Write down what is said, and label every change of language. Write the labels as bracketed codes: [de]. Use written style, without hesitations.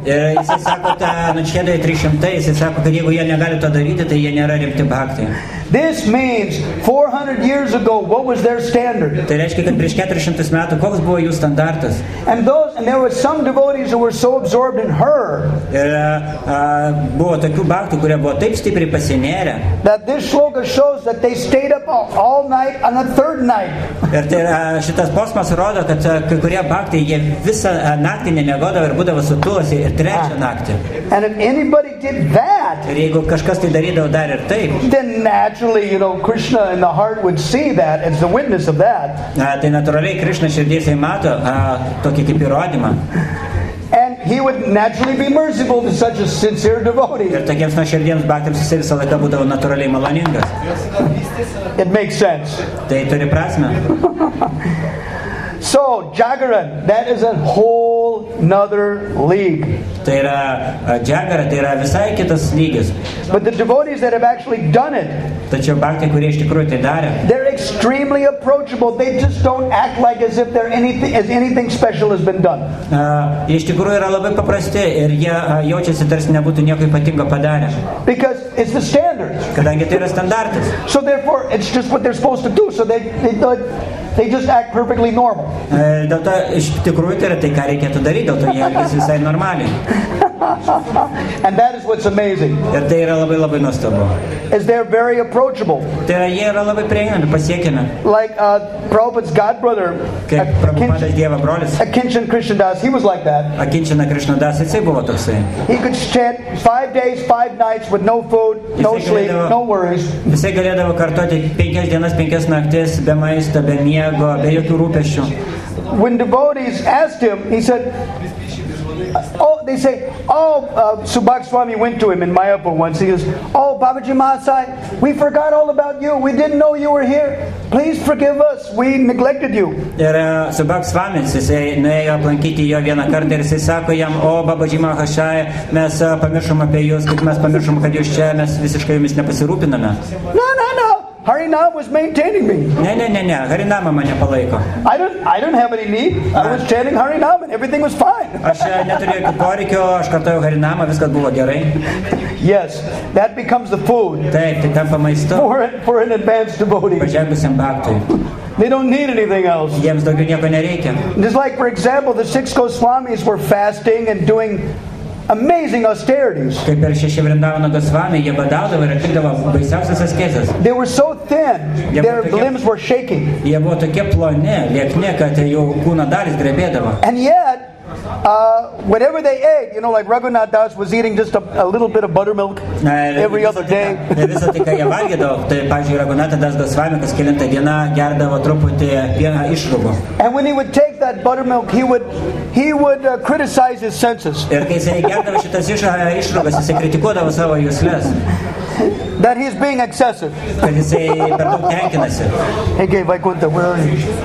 [en] This means 400 years ago, what was their standard? And those, and there were some devotees who were so absorbed in her that this shloka shows that they stayed up all night on the third night. [lt] Šitas posmas rodo, kad kai kurie baktai jie visą naktį nemiegodavo ir būdavo sutulasi ir trečią naktį. [en] And if anybody did that, [lt] ir jeigu kažkas tai darydavo dar ir taip, [en] then naturally, you know, Krishna in the heart would see that as the witness of that. [lt] Tai natūraliai Krishna širdies jį mato tokį kaip įrodymą. [en] And he would naturally be merciful to such a sincere devotee. [lt] Ir tokiems nuoširdiems baktams jis visą laiką būdavo natūraliai maloningas. [en] It makes sense. [lt] Tai turi prasme. [en] So, Jagaran, that is a whole another league. [lt] Tai yra Jagara, tai yra visai kitas lygis. [en] But the devotees that have actually done it, [lt] tačiau baktai, kurie iš tikrųjų tai darė, [en] they're extremely approachable. They just don't act like as if there anything special has been done. [lt] Iš tikrųjų yra labai paprasti ir jie jaučiasi tarsi nebūtų nieko ypatingo padarę. [en] Because it's the standard. [lt] Kadangi tai yra standartas. [en] So therefore, it's just what they're supposed to do. So they just act perfectly normal. [lt] Dėl to, iš tikrųjų, tai yra tai, ką reikėtų daryti, dėl to jie elgiasi visai normaliai. [en] And that is what's amazing. [lt] Ir tai yra labai labai nuostabu. [en] Is they're very approachable. [lt] Tai yra, jie yra labai prieinami, pasiekiami. [en] Like Prabhupada's godbrother, [lt] Prabhupada's dieva brolis, [en] Akinchan Krishnadas, he was like that. [lt] Akinchana Krishnadas, jisai buvo toksai. [en] He could chant 5 days, 5 nights with no food, no sleep, no worries. [lt] Jisai galėdavo kartoti 5 dienas, 5 naktis, be maisto, be miego, be jokių rūpesčių. [en] When devotees asked him, he said, Subhak Swami went to him in Mayapur once. He goes, oh, Babaji Mahasai, we forgot all about you. We didn't know you were here. Please forgive us. We neglected you. [lt] Ir Subhak Swami, jisai nuėjo aplankyti jo vieną kartą ir jisai sako jam, oh, Babaji Mahasai, mes pamiršom apie jūs, kaip mes pamiršom, kad jūs čia, mes visiškai jumis nepasirūpiname. [en] No. Harinam was maintaining me. [lt] Ne. Harinama mane palaiko. [en] I don't have any need. I was chanting Harinam and everything was fine. [lt] Aš neturėjau jokių poreikių, aš kartojau Harinamą, viskas buvo gerai. [en] Yes, that becomes the food. [lt] Taip, tai tampa maistu. [en] For an advanced devotee. [lt] Pažengusiam baktui. [en] They don't need anything else. [lt] Jiems daugiau nieko nereikia. [en] Just like, for example, the six Goswamis were fasting and doing amazing austerities. [lt] Kaip ir šeši Vrindavano Gosvami, jie badaudavo ir atlikdavo baisiausias askezes. [en] They were so thin, their limbs were shaking. [lt] Jie buvo tokie ploni, liekni, kad jų kūno dalys drebėdavo. [en] And yet, whatever they ate, you know, like Raghunath Das was eating just a little bit of buttermilk every other day. [lt] Visa tai, ką jie valgėdavo, tai, pavyzdžiui, Raghunath Das Gosvami, kas kelintą dieną gerdavo truputį pieną išrūgų. [en] And when he would take that buttermilk, he would criticize his senses. [lt] Ir kai jisai gerdavo šitas išrūgas, jisai kritikuodavo savo jusles. [en] That he's being excessive. [lt] Kad jisai per daug tenkinasi. [en] He gave Vaikuntha, where are you?